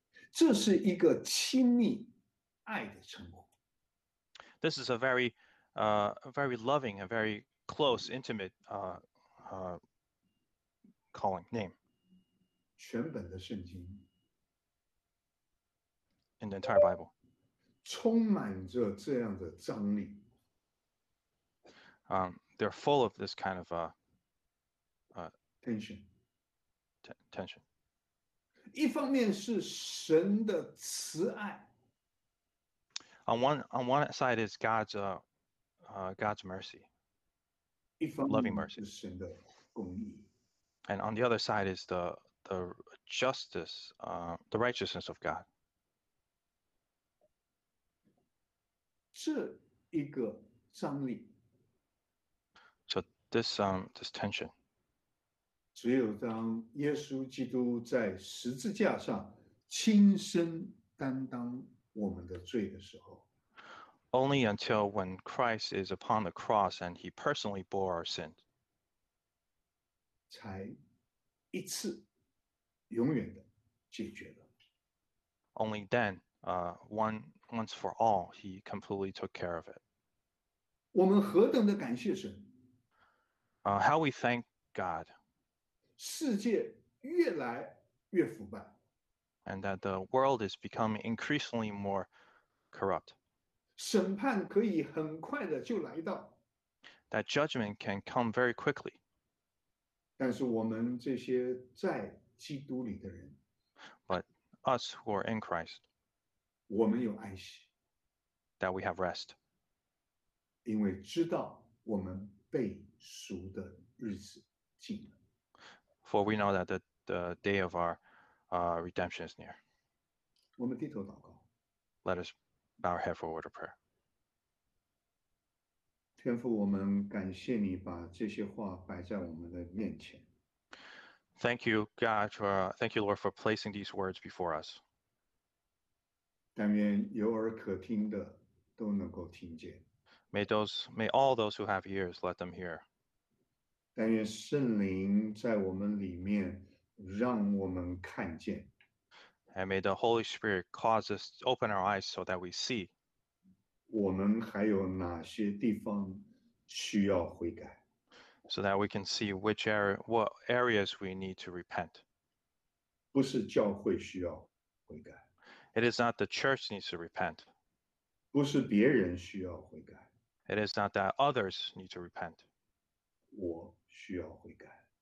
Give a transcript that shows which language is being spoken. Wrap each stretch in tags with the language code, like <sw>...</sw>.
<zh>这是一个亲密爱的称呼。</zh> <en>This is a very, very loving, a very close, intimate, calling name.</en> <zh>全本的圣经</zh> <en>，in the entire Bible，</en> <zh>充满着这样的张力。</zh> <en>They're full of this kind of tension. Tension.</en> <zh>一方面是神的慈爱。</zh> <en>On one side is God's mercy. Loving mercy.</en> <zh>是神的公义。</zh> <en>And on the other side is the justice, the righteousness of God.</en> <zh>这一个张力。</zh> <en>So this tension.</en> <zh>只有当耶稣基督在十字架上亲身担当我们的罪的时候。</zh> <en>Only until when Christ is upon the cross and he personally bore our sins.</en> <zh>才一次。永远的解决了。</zh> <en>Only then, once for all, he completely took care of it.</en> <zh>我们何等的感谢神。</zh> <en>How we thank God.</en> <zh>世界越来越腐败。</zh> <en>And that the world is becoming increasingly more corrupt.</en> <zh>审判可以很快的就来到。</zh> <en>That judgment can come very quickly.</en> <zh>但是我们这些在基督里的人,</zh> <en>but us who are in Christ,</en> <zh>我们有安息,</zh> <en>that we have rest,</en> <zh>因为知道我们被赎的日子近了,</zh> <en>for we know that the day of our redemption is near.</en> <zh>我们低头祷告,</zh> <en>let us bow our head for a word of prayer.</en> <zh>天父，我们感谢你把这些话摆在我们的面前。</zh> <en>Thank you, God, thank you, Lord, for placing these words before us.</en> <zh>但愿有耳可听的都能够听见。</zh> <en>May all those who have ears let them hear.</en> <zh>但愿圣灵在我们里面让我们看见。</zh> <en>And may the Holy Spirit cause us to open our eyes so that we see.</en> <zh>我们还有哪些地方需要悔改。</zh> <en>So that we can see which areas we need to repent.</en> <zh>不是教会需要悔改。</zh> <en>It is not the church needs to repent.</en> <zh>不是别人需要悔改。</zh> <en>It is not that others need to repent.</en> <zh>我需要悔改。</zh>